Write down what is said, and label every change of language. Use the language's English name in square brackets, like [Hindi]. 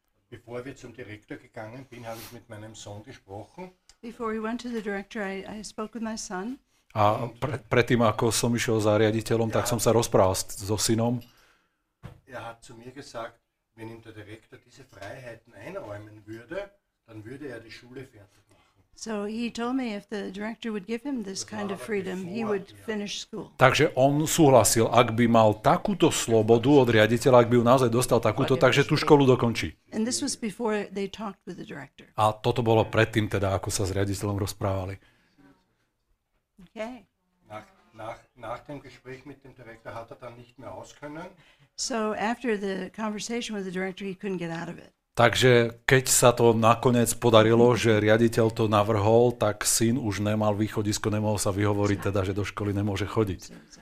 [German] Bevor wir zum Direktor gegangen bin, habe ich mit meinem Sohn gesprochen. [English] Before we went to the director, I spoke with my son. [Slovak] A predtým, ako som išiel za riaditeľom, tak som sa rozprával so synom. [German] Er hat zu mir gesagt, wenn ihm der Direktor diese Freiheiten einräumen würde, dann würde er die Schule fertig machen. [English] So he told me if the director would give him this kind of freedom, he would finish school. [Slovak] Takže on súhlasil, ak by mal takúto slobodu od riaditeľa, ak by ju naozaj dostal takúto, takže tú školu dokončí. [English] And this was before they talked with the director. [Slovak] A toto bolo predtým teda, ako sa s riaditeľom rozprávali. [English] Okay. [German] Nach dem Gespräch mit dem Direktor hat er dann nicht mehr auskönnen. [English] So after the conversation with the director, he couldn't get out of it. [Slovak] Takže keď sa to nakoniec podarilo, že riaditeľ to navrhol, tak syn už nemal východisko, nemohol sa vyhovoriť, teda, že do školy nemôže chodiť.